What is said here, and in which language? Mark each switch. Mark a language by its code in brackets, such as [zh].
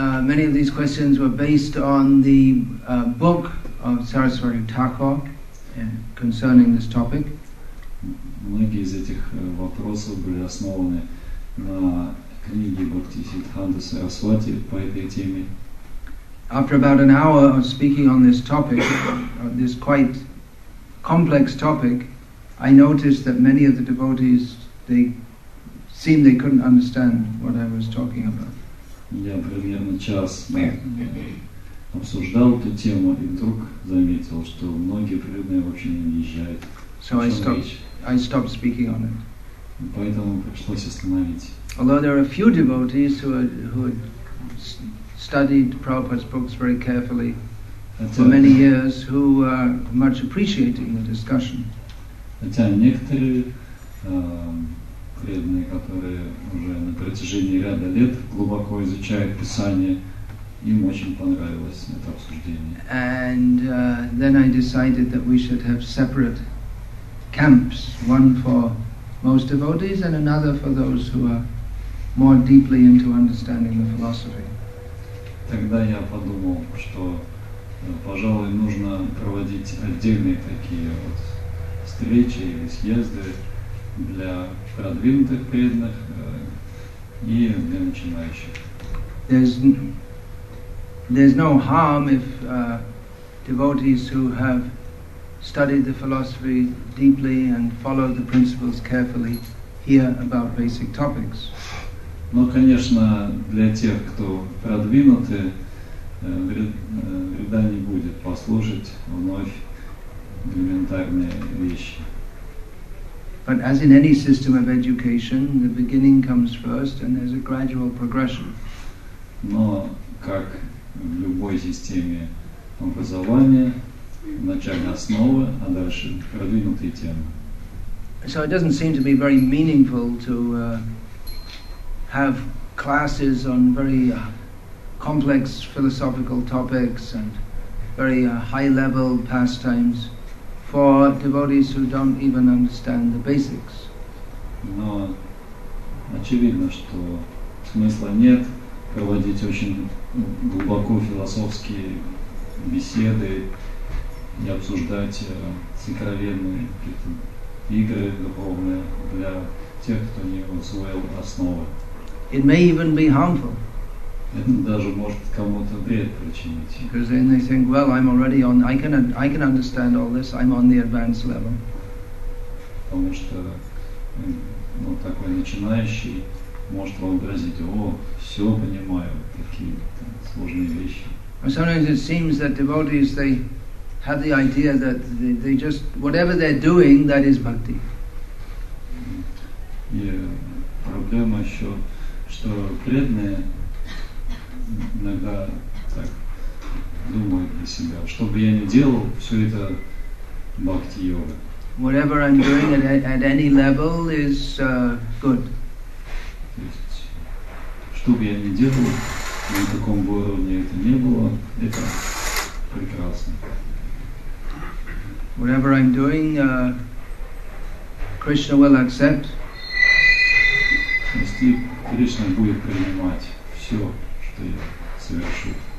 [en] Many of these questions were based on the book of Saraswati Thakur concerning this topic. [ru] Многие из этих вопросов были основаны на книге Бхактисиддханта Сарасвати по этой теме. [en] After about an hour of speaking on this topic, this quite complex topic, I noticed that many of the devotees, they seemed they couldn't understand what I was talking about. [ru] Я примерно час обсуждал эту тему и вдруг заметил, что многие преданные вообще не въезжают. [en] So I stopped speaking on it. [ru] Поэтому пришлось остановить. [en] Although there are a few devotees who had studied Prabhupada's books very carefully for many years, who are much appreciating the discussion. [ru] Хотя некоторые преданные, которые уже на протяжении ряда лет глубоко изучают Писание, им очень понравилось это обсуждение. [en] And then I decided that we should have separate camps, one for most devotees and another for those who are more deeply into understanding the philosophy. [ru] Тогда я подумал, что, пожалуй, нужно проводить отдельные такие вот встречи или съезды для продвинутых преданных и для начинающих. [en] There's no harm if devotees who have studied the philosophy deeply and followed the principles carefully hear about basic topics. [ru] Но, конечно, для тех, кто продвинуты, вреда не будет послушать вновь элементарные вещи. [en] But as in any system of education, the beginning comes first and there's a gradual progression. [ru] Но как в любой системе образования, вначале основы, а дальше продвинутые темы. [en] So it doesn't seem to be very meaningful to have classes on very complex philosophical topics and very high-level pastimes for devotees who don't even understand the basics. [ru] Но очевидно, что смысла нет проводить очень глубоко философские беседы и обсуждать сокровенные какие-то игры духовные для тех, кто не усвоил основы. [en] It may even be harmful. [ru] Это даже может кому-то вред причинить. [en] Because then they think, well, I'm already on, I can understand all this, I'm on the advanced level. [ru] Потому что ну, такой начинающий может вообразить, о, все понимаю, такие там, сложные вещи. [en] And sometimes it seems that devotees, they have the idea that they just, whatever they're doing, that is bhakti. [ru] И проблема еще, что преданные иногда так думают для себя, что бы я ни делал, все это бхакти-йога. [en] Whatever I'm doing at any level is good. [ru] То есть, что бы я ни делал, на каком бы уровне это ни было, это прекрасно. [en] Whatever I'm doing, Krishna will accept. [ru] Если Кришна будет принимать все, что я совершу.